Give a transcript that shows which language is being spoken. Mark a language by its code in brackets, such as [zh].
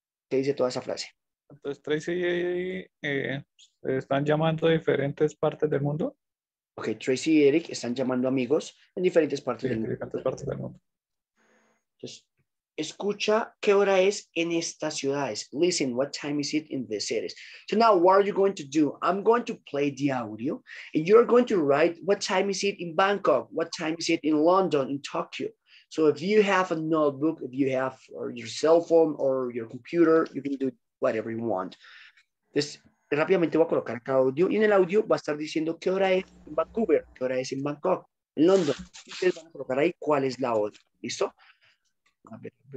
[es] ¿Qué dice toda esa frase? Entonces, Tracy y Eric están llamando a diferentes partes del mundo. Ok, Tracy y Eric están llamando amigos en diferentes partes, sí, del mundo. Entonces, escucha qué hora es en estas ciudades. [en] Listen, what time is it in the cities? So now, what are you going to do? I'm going to play the audio, and you're going to write what time is it in Bangkok, what time is it in London, in Tokyo. So if you have a notebook, if you have or your cell phone or your computer, you can do whatever you want. [es] Entonces, rápidamente voy a colocar acá audio, y en el audio va a estar diciendo qué hora es en Vancouver, qué hora es en Bangkok, en London. Ustedes van a colocar ahí cuál es la hora. ¿Listo? A ver.